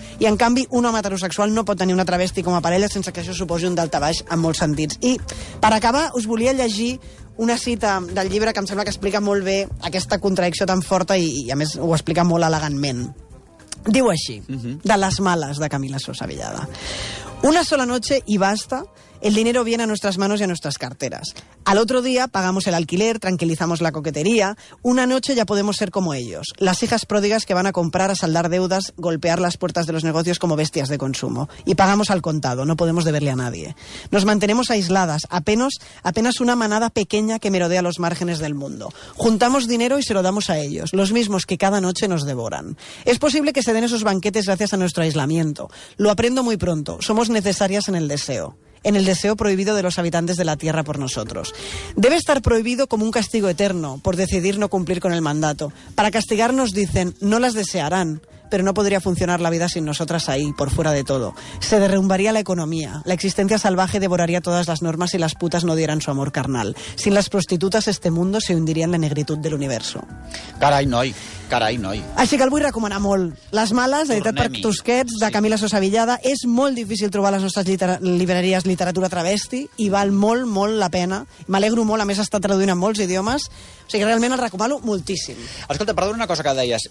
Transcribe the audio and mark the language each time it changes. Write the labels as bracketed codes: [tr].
[ca] I, en canvi, un home heterosexual no pot tenir una travesti com a parella sense que això suposi un delta baix en molts sentits. I, per acabar, us volia llegir una cita del llibre que em sembla que explica molt bé aquesta contradicció tan forta i a més, ho explica molt elegantment. Diu així, de Las Malas, de Camila Sosa Villada. [es] Una sola noche y basta, el dinero viene a nuestras manos y a nuestras carteras. Al otro día pagamos el alquiler, tranquilizamos la coquetería. Una noche ya podemos ser como ellos, las hijas pródigas que van a comprar, a saldar deudas, golpear las puertas de los negocios como bestias de consumo. Y pagamos al contado, no podemos deberle a nadie. Nos mantenemos aisladas, apenas una manada pequeña que merodea los márgenes del mundo. Juntamos dinero y se lo damos a ellos, los mismos que cada noche nos devoran. Es posible que se den esos banquetes gracias a nuestro aislamiento. Lo aprendo muy pronto, somos necesarias en el deseo. En el deseo prohibido de los habitantes de la tierra por nosotros. Debe estar prohibido como un castigo eterno por decidir no cumplir con el mandato. Para castigarnos, dicen, no las desearán, pero no podría funcionar la vida sin nosotras ahí, por fuera de todo. Se derrumbaría la economía. La existencia salvaje devoraría todas las normas si las putas no dieran su amor carnal. Sin las prostitutas, este mundo se hundiría en la negritud del universo. [ca] Carai, noi. Carai, noi. Així que el vull recomanar molt. Las Malas, editat per Tusquets, de Camila Sosa Villada. És molt difícil trobar a les nostres llibreries literatura travesti i val molt, molt la pena. M'alegro molt, a més està traduint en molts idiomes. O sigui, realment el recomano moltíssim. Escolta, perdona una cosa que deies.